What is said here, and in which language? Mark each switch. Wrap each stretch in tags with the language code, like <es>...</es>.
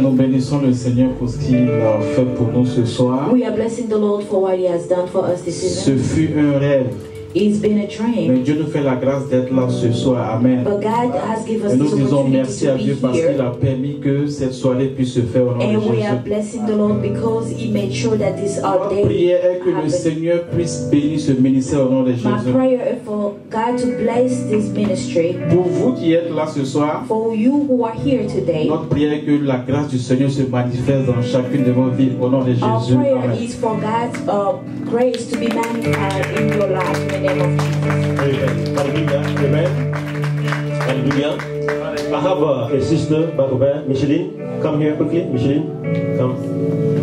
<fr>Nous bénissons le Seigneur pour ce qu'il a fait pour nous ce soir.</fr> <en>We are blessing the Lord for what he has done for us this evening.</en> <fr>Ce fut un rêve.</fr> <en>It's been a dream.</en> <fr>Mais Dieu nous fait la grâce d'être là ce soir. Amen.</fr> <en>But God has given us</en> <fr>et nous disons merci à Dieu parce qu'il a permis que cette soirée puisse se faire au nom</fr> <en>and</en> <fr>de Jésus.</fr> <en>We are blessing the Lord because he made sure that this our day.</en> <fr>Ma prière est que le Seigneur puisse bénir ce ministère au nom de Jésus.</fr> <en>My prayer is for God to bless this ministry.</en> <fr>Pour vous qui êtes là ce soir.</fr> <en>For you who are here today.</en> <fr>Notre prière est que la grâce du Seigneur se manifeste dans chacune de vos vies au nom de Jésus.</fr> <en>Our prayer is for God's grace to be manifested in your life. Amen. Hallelujah. Amen. Hallelujah. I have a sister back over there, Micheline. Come here quickly, Micheline.</en>